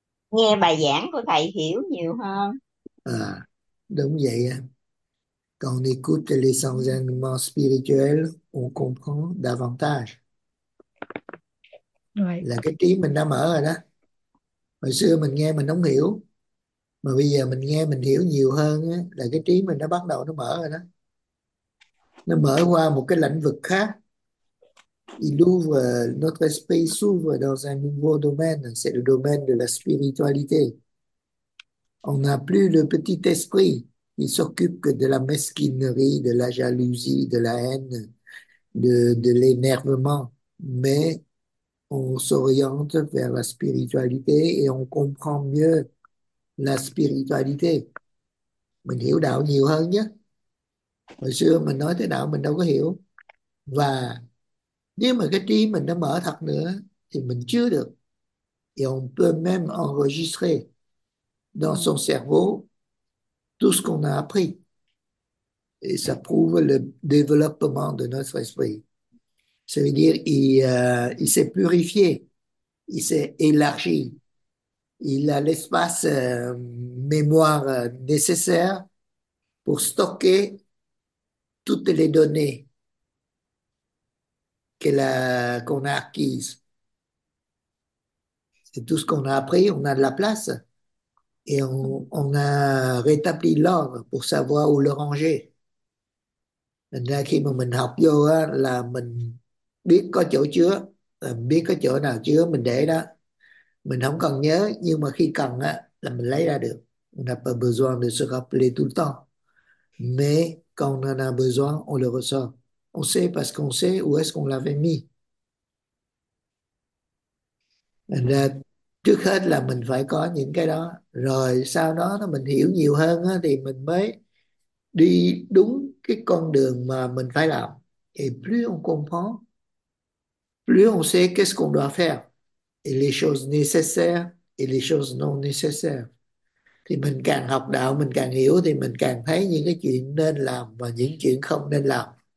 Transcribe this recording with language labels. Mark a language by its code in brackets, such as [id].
[vi] Nghe bài giảng của thầy hiểu nhiều hơn. À, đúng vậy á. [fr] Quand on écoute les enseignements spirituels, on comprend davantage. Ouais. [vi] Là cái trí mình đã mở rồi đó. Hồi xưa mình nghe mình không hiểu, mà bây giờ mình nghe mình hiểu nhiều hơn á, là cái trí mình đã bắt đầu nó mở rồi đó. Nó mở qua một cái lĩnh vực khác. [fr] Il ouvre, notre esprit s'ouvre dans un nouveau domaine, c'est le domaine de la spiritualité. On n'a plus le petit esprit qui s'occupe que de la mesquinerie, de la jalousie, de la haine, de l'énervement, mais on s'oriente vers la spiritualité et on comprend mieux la spiritualité. [vi] Mình hiểu đạo nhiều hơn nhé. Hồi xưa mình nói tới đạo mình đâu có hiểu. Và nếu mà cái trí mình đã mở thật nữa thì mình chưa được. [fr] Et on peut même enregistrer dans son cerveau tout ce qu'on a appris. Et ça prouve le développement de notre esprit. Ça veut dire il s'est purifié, il s'est élargi, il a l'espace mémoire nécessaire pour stocker toutes les données qu'on a acquises. C'est tout ce qu'on a appris, on a de la place. Et on a rétabli l'ordre pour savoir où le ranger. [vi] Thành ra khi mà mình học vô á, là mình biết có chỗ chứa, biết có chỗ nào chứa mình để đó. Mình không cần nhớ, nhưng mà khi cần á, là mình lấy ra được. [fr] On n'a pas besoin de se rappeler tout le temps. Mais quand on en a besoin, on le ressort. On sait parce qu'on sait où est-ce qu'on l'avait mis. [vi] Thành ra trước hết là mình phải có những cái đó, rồi sau đó nó mình hiểu nhiều hơn á, thì mình mới đi đúng cái con đường mà mình phải làm. [fr] Et plus on comprend, plus on sait qu'est-ce qu'on doit faire, et les choses nécessaires et les choses non nécessaires. [vi] Thì mình càng học đạo, mình càng hiểu, thì mình càng thấy những cái chuyện nên làm và những chuyện không nên làm.